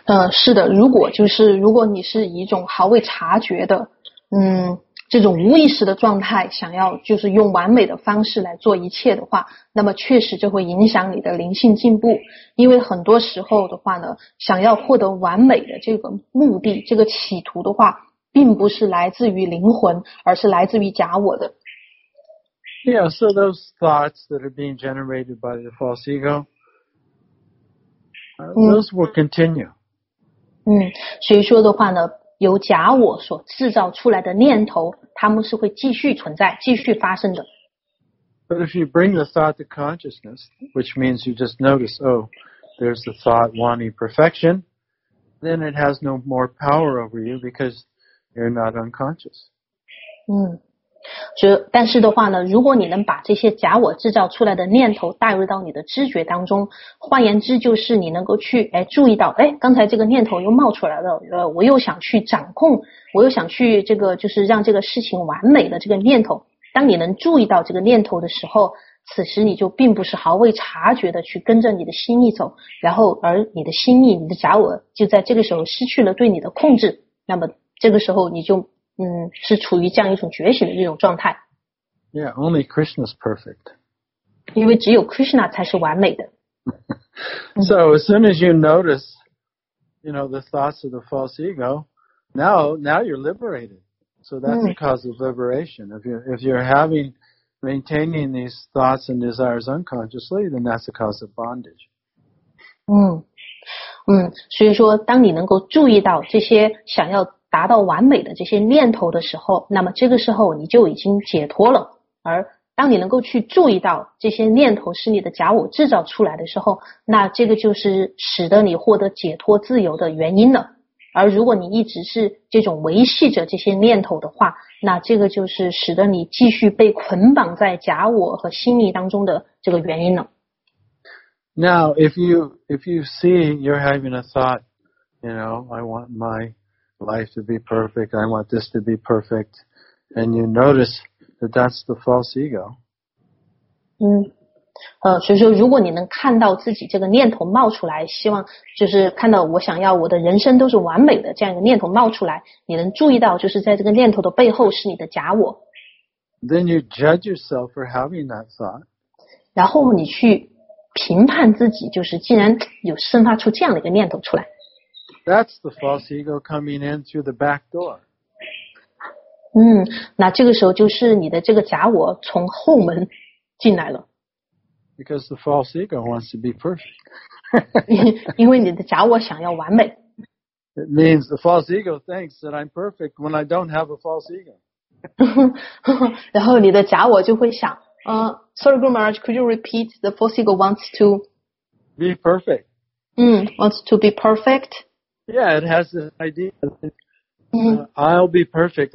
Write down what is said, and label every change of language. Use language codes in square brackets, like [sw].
[zh] 是的，如果就是如果你是一种毫未察觉的，这种无意识的状态，想要就是用完美的方式来做一切的话，那么确实就会影响你的灵性进步。因为很多时候的话呢，想要获得完美的这个目的，这个企图的话，并不是来自于灵魂，而是来自于假我的。 [en] Yeah, so those thoughts that are being generated by the false ego. Those will continue. [zh] 所以说的话呢，由假我所制造出来的念头，他们是会继续存在，继续发生的。 [en] But if you bring the thought to consciousness, which means you just notice, oh, there's the thought wanting perfection, then it has no more power over you because you're not unconscious. [zh] 但是的话呢，如果你能把这些假我制造出来的念头带入到你的知觉当中，换言之就是你能够去注意到，哎，刚才这个念头又冒出来了，我又想去掌控，我又想去这个就是让这个事情完美的这个念头，当你能注意到这个念头的时候，此时你就并不是毫未察觉的去跟着你的心意走，然后而你的心意，你的假我就在这个时候失去了对你的控制，那么这个时候你就是处于这样一种觉醒的这种状态。 [en] Yeah, only Krishna is perfect. [zh] 因为只有 Krishna 才是完美的。 [en] So as soon as you notice, you know, the thoughts of the false ego, now you're liberated. So that's the cause of liberation. If you're maintaining these thoughts and desires unconsciously, then that's the cause of bondage. [zh] 所以说当你能够注意到这些想要达到完美的这些念头的时候，那么这个时候你就已经解脱了。而当你能够去注意到这些念头是你的假我制造出来的时候，那这个就是使得你获得解脱自由的原因了。而如果你一直是这种维系着这些念头的话，那这个就是使得你继续被捆绑在假我和心理当中的这个原因了。 [en] Now, if you see you're having a thought, you know, I want my... life to be perfect, I want this to be perfect, and you notice that that's the false ego. [zh] 所以说如果你能看到自己这个念头冒出来，希望就是看到我想要我的人生都是完美的这样一个念头冒出来，你能注意到就是在这个念头的背后是你的假我。 [en] Then you judge yourself for having that thought. [zh] 然后你去评判自己，就是竟然有生发出这样的一个念头出来。 [en] That's the false ego coming in through the back door. [zh] 嗯，那这个时候就是你的这个假我从后门进来了。 [en] Because the false ego wants to be perfect. [zh] 因为你的假我想要完美。 [en] It means the false ego thinks that I'm perfect when I don't have a false ego. [zh] 然后你的假我就会想， sorry, Guru Maharaj, could you repeat? [en] The false ego wants to be perfect. Wants to be perfect. Yeah, it has this idea that I'll be perfect.